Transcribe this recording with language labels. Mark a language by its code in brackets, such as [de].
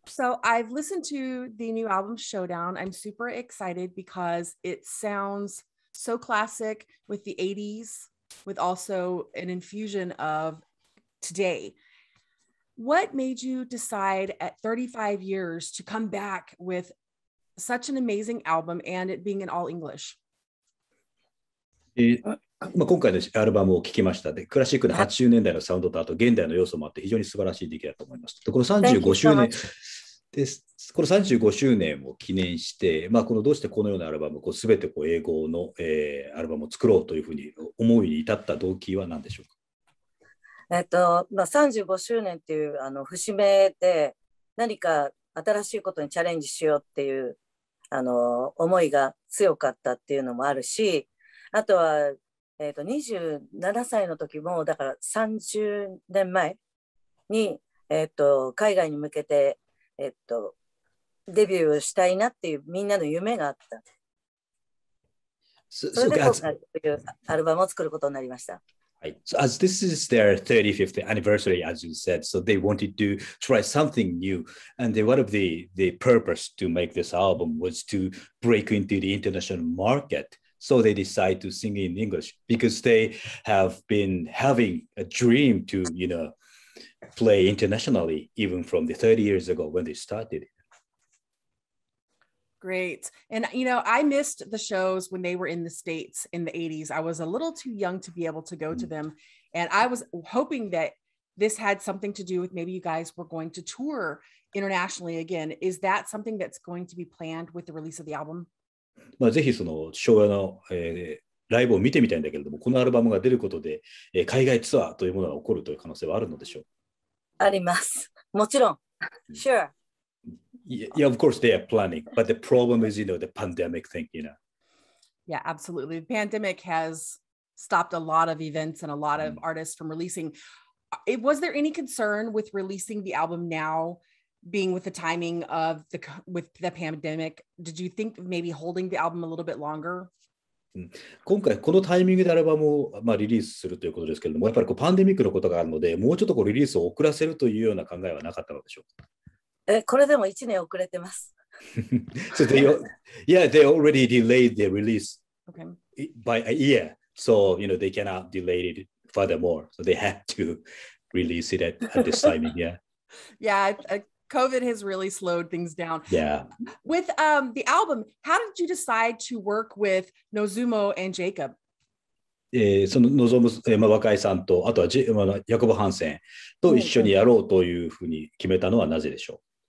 [en] So I've listened to the new album Showdown. I'm super excited because it sounds so classic with the 80s, with also an infusion of today. What made you decide at 35 years to come back with such an amazing album and it being in all English? [ja] まあ、今回のアルバムを聴きました。で、クラシックの80年代のサウンドとあと現代の要素もあって非常に素晴らしい出来だと思います。で、この35周年です。この35周年を記念して、まあ、このどうしてこのようなアルバム、こう全てこう英語の、アルバムを作ろうというふうに思うように至った動機は何でしょうか？まあ、35周年っていうあの節目で何か新しいことにチャレンジしようっていうあの思いが強かったっていうのもあるし、あとは27歳の時もだから30年前に、海外に向けて、デビューしたいなっていうみんなの夢があった。それで今回というアルバムを作ることになりました。 [en] So as this is their 35th anniversary, as you said, so they wanted to try something new. And they, one of the purpose to make this album was to break into the international market. So they decide to sing in English because they have been having a dream to, you know, play internationally, even from the 30 years ago when they started. Great. And, you know, I missed the shows when they were in the States in the 80s. I was a little too young to be able to go to them. And I was hoping that this had something to do with maybe you guys were going to tour internationally again. Is that something that's going to be planned with the release of the album? [ja] まあ、ぜひそのショーの、ライブを見てみたいんだけれども、このアルバムが出ることで、海外ツアーというものが起こるという可能性はあるのでしょう？あります。もちろん。 [en] Sure. Yeah, of course, they are planning. But the problem is, you know, the pandemic thing, you know. Yeah, absolutely. The pandemic has stopped a lot of events and a lot of artists from releasing. Was there any concern with releasing the album now, being with the timing of the, with the pandemic? Did you think maybe holding the album a little bit longer? [ja] 今回このタイミングでアルバムをまあリリースするということですけれども、やっぱりこうパンデミックのことがあるので、もうちょっとこうリリースを遅らせるというような考えはなかったのでしょうか？これでも1年遅れてます。 [en] So they, yeah, they already delayed their release by a year. So, you know, they cannot delay it furthermore. So they had to release it at this timing, yeah. Yeah, COVID has really slowed things down. Yeah. With the album, how did you decide to work with Nozomu and Jacob? [ja] そのノゾム、まあ、若井さんと、あとはジ、まあ、ヤコブ・ハンセンと一緒にやろうというふうに決めたのはなぜでしょう？